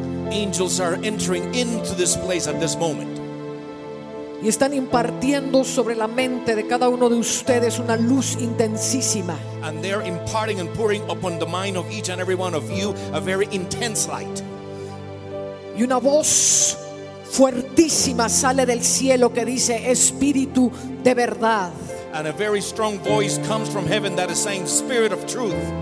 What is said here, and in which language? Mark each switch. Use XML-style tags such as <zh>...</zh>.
<en>Angels are entering into this place at this moment.</en> <es>Y están impartiendo sobre la mente de cada uno de ustedes una luz intensísima.</es> <en>And they're imparting and pouring upon the mind of each and every one of you a very intense light.</en> <es>Y una voz fuertísima sale del cielo que dice Espíritu de verdad.</es> <en>And a very strong voice comes from heaven that is saying Spirit of truth.</en>